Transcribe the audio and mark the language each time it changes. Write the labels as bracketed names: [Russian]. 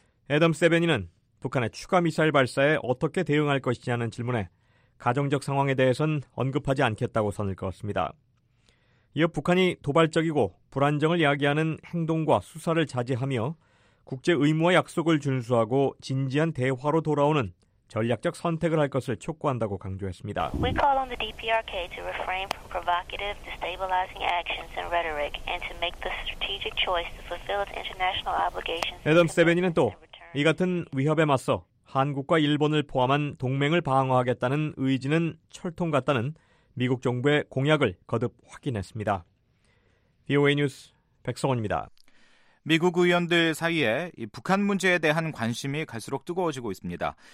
[Korean] 애덤 세베니는 북한의 추가 미사일 발사에 어떻게 대응할 것이냐는 질문에 가정적 상황에 대해선 언급하지 않겠다고 선을 그었습니다. 이어 북한이 도발적이고 불안정을 야기하는 행동과 수사를 자제하며 국제 의무와 약속을 준수하고 진지한 대화로 돌아오는 전략적 선택을 할 것을 촉구한다고 강조했습니다. [English] We call on the DPRK to refrain from provocative, destabilizing actions and rhetoric and to make the strategic choice to fulfill its international obligations. [Korean] 애덤 세베니는 또 이 같은 위협에 맞서 한국과 일본을 포함한 동맹을 방어하겠다는 의지는 철통 같다는 미국 정부의 공약을 거듭 확인했습니다. VOA 뉴스 백성원입니다. 미국 의원들 사이에 이 북한 문제에 대한 관심이 갈수록 뜨거워지고 있습니다.